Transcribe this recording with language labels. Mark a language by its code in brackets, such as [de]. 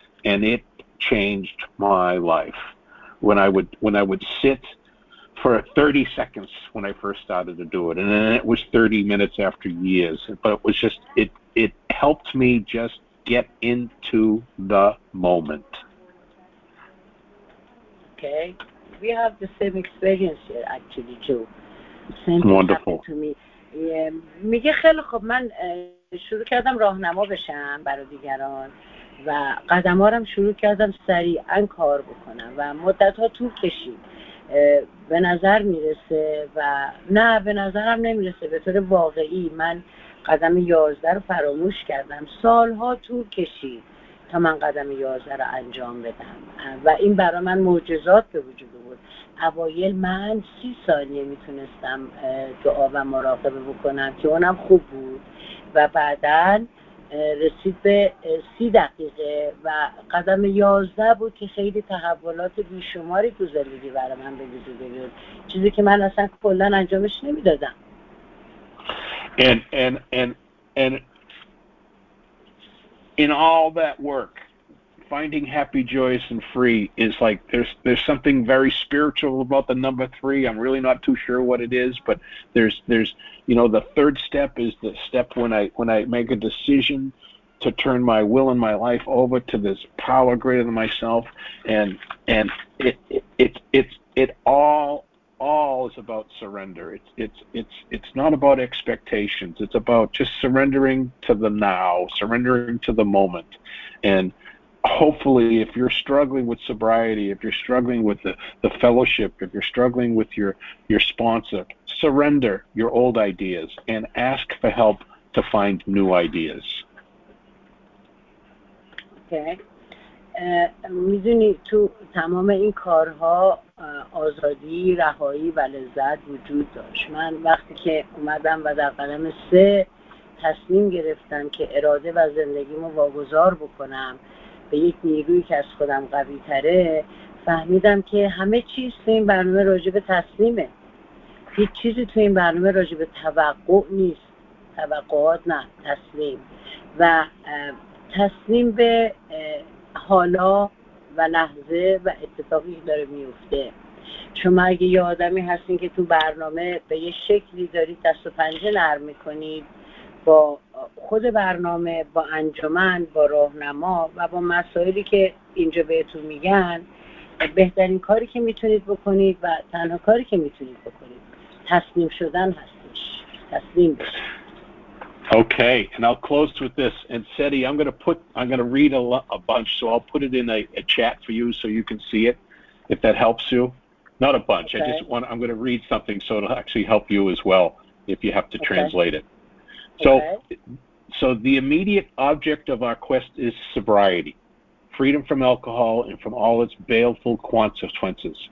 [en] And it changed my life. When I would sit for 30 seconds when I first started to do it. And then it was 30 minutes after years. But it was just, it helped me just get into the moment. Okay. We have the same experience here, actually, too. Wonderful. To me. [fa] میگه خیلی خب من شروع کردم راهنما بشم برای دیگران و قدمارم شروع کردم سریعاً کار بکنم و مدت ها طول کشید. به نظر میرسه و نه به نظرم نمیرسه، به طور واقعی من قدم 11 رو فراموش کردم، سالها طول کشید تا من قدم 11 رو انجام بدم و این برای من معجزات به وجود بود. اوایل من 30 ثانیه میتونستم دعا و مراقبه بکنم که اونم خوب بود و بعدن رسید به 30 دقیقه و قدم 11 بود که خیلی تحولات بیشماری تو زندگی برای من به وجود بیاد، چیزی که من اصلا کلن انجامش نمیدادم. [en] And in all that work, finding happy, joyous, and free is like there's something very spiritual about the number three. I'm really not too sure what it is, but there's you know, the third step is the step when I make a decision to turn my will and my life over to this power greater than myself, and it all is about surrender. It's not about expectations. It's about just surrendering to the now, surrendering to the moment. And hopefully, if you're struggling with sobriety, if you're struggling with the fellowship, if you're struggling with your sponsor, surrender your old ideas and ask for help to find new ideas. Okay. [fa] میدونی تو تمام این کارها آزادی، رهایی و لذت وجود داشت. من وقتی که اومدم و در قدم سه تصمیم گرفتم که اراده و زندگیمو واگذار بکنم به یک نیرویی که از خودم قوی تره، فهمیدم که همه چیز تو این برنامه راجع به تصمیمه. هیچ چیزی تو این برنامه راجع به توقع نیست. توقعات نه، تصمیم. و تصمیم به حالا و لحظه و اتفاقی که داره میفته. شما اگه یه آدمی هستین که تو برنامه به یه شکلی دارید دست و پنجه نرم میکنید با خود برنامه، با انجمن، با راهنما و با مسائلی که اینجا بهتون میگن، بهترین کاری که میتونید بکنید و تنها کاری که میتونید بکنید تسلیم شدن هستش. تسلیم. [en] Okay, and I'll close with this. And Seti, I'm going to read a bunch, so I'll put it in a chat for you so you can see it, if that helps you. Not a bunch. Okay. I'm going to read something so it'll actually help you as well if you have to translate it. So the immediate object of our quest is sobriety, freedom from alcohol and from all its baleful consequences.